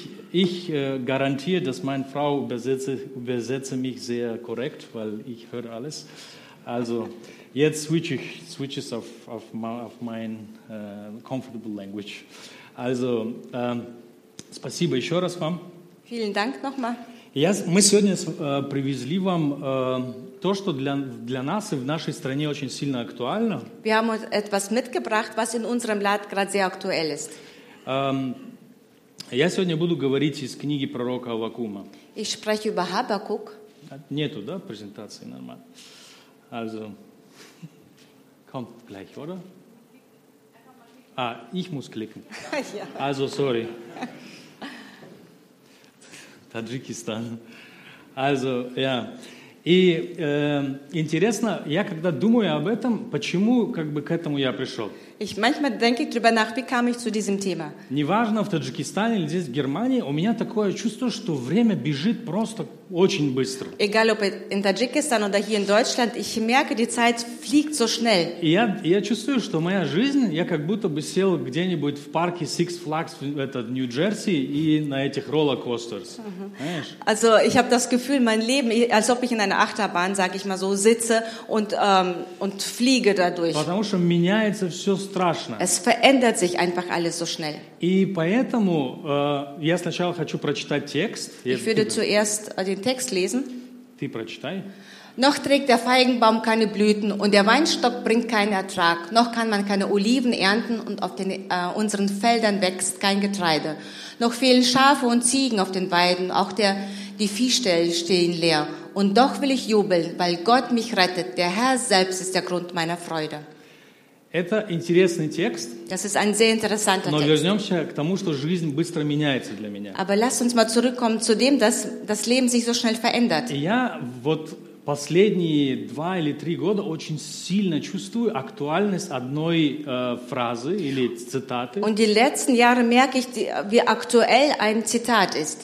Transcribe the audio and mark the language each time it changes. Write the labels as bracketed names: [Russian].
[German] Ich garantiere, dass meine Frau übersetze mich sehr korrekt, weil ich höre alles. Also jetzt switche ich auf mein [English] comfortable language. [German] Also, [Russian] спасибо еще раз вам. [German] Vielen Dank nochmal. [Russian] Мы сегодня привезли вам то, что для нас и в нашей стране очень сильно актуально. [German] Wir haben uns etwas mitgebracht, was in unserem Land gerade sehr aktuell ist. [Russian] Я сегодня буду говорить из книги пророка Аввакума. [German] Ich spreche über Habakkuk. [Russian] Нету, да, презентации нормально. [German] Also, kommt gleich, oder? Ich muss klicken. Ja. Also, sorry. Таджикистан. Also, ja. [Russian] И интересно, я когда думаю об этом, почему как бы к этому я пришел? [German] Ich manchmal denke ich drüber nach, wie kam ich zu diesem Thema? [Russian] Неважно, в Таджикистане или здесь в Германии, у меня такое чувство, что время бежит просто очень быстро. [German] Egal ob in Tajikistan oder hier in Deutschland, ich merke, die Zeit fliegt so schnell. [Russian] Я чувствую, что моя жизнь, я как будто бы сел где-нибудь в парке Six Flags в этот Нью-Джерси и на этих роллер-костерс. [German] Also, ich habe das Gefühl, mein Leben, als ob ich in einer Achterbahn, sage ich mal so, sitze und fliege dadurch. [Russian] Потому что меняется все страшно. [German] Es verändert sich einfach alles so schnell. [Russian] И поэтому я сначала хочу прочитать текст. [German] Ich würde zuerst den Text lesen. [Russian] Ты прочитай. [German] Noch trägt der Feigenbaum keine Blüten und der Weinstock bringt keinen Ertrag. Noch kann man keine Oliven ernten und auf den unseren Feldern wächst kein Getreide. Noch fehlen Schafe und Ziegen auf den Weiden, auch die Viehställe stehen leer. Und doch will ich jubeln, weil Gott mich rettet. Der Herr selbst ist der Grund meiner Freude. [Russian] Это интересный текст. [German] Das ist ein sehr interessanter Text. [Russian] Но вернемся к тому, что жизнь быстро меняется для меня. [German] Aber lass uns mal zurückkommen zu dem, dass das Leben sich so schnell verändert. [Russian] Я вот последние 2 или 3 года очень сильно чувствую актуальность одной фразы или цитаты. [German] Und die letzten Jahre merke ich, wie aktuell ein Zitat ist.